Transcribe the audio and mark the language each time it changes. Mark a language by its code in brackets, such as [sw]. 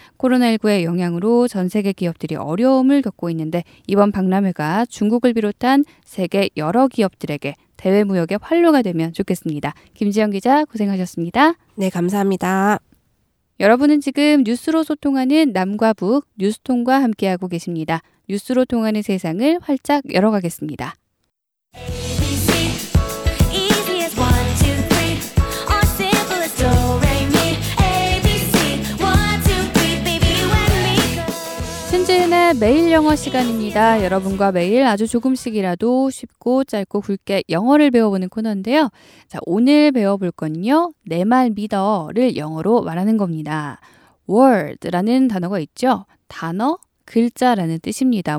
[ko] 코로나19의 영향으로 전 세계 기업들이 어려움을 겪고 있는데 이번 박람회가 중국을 비롯한 세계 여러 기업들에게 대외 무역의 활로가 되면 좋겠습니다. 김지영 기자 고생하셨습니다. 네, 감사합니다. 여러분은 지금 뉴스로 소통하는 남과 북, 뉴스통과 함께하고 계십니다. 뉴스로 통하는 세상을 활짝 열어가겠습니다. [en] ABC, easy as one, two, three. All simple as do, re, mi. ABC, one, two, three, baby, when we go. [ko] 신지은의 매일 영어 시간입니다. 여러분과 매일 아주 조금씩이라도 쉽고 짧고 굵게 영어를 배워보는 코너인데요. 자, 오늘 배워볼 건요. 내 말 믿어를 영어로 말하는 겁니다. word라는 단어가 있죠. 단어, 글자라는 뜻입니다.